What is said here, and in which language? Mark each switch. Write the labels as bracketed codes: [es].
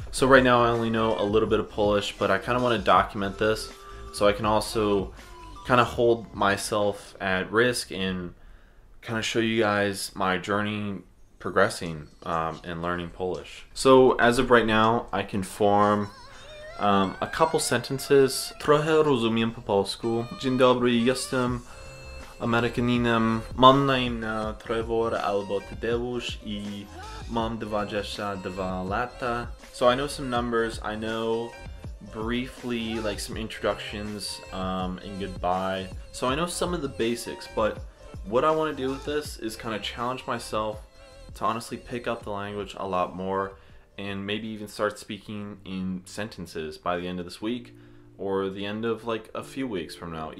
[en] So right now I only know a little bit of Polish, but I kind of want to document this so I can also kind of hold myself at risk and kind of show you guys my journey progressing and learning Polish. So as of right now, I can form a couple sentences. [pl] Trochę rozumiem po polsku. Dzień dobry, jestem Amerykaninem. Mam na imię Trevor albo Tadeusz I mam 22 lata. [en] So I know some numbers. I know briefly like some introductions and goodbye. So I know some of the basics, but what I want to do with this is kind of challenge myself to honestly pick up the language a lot more and maybe even start speaking in sentences by the end of this week or the end of like a few weeks from now.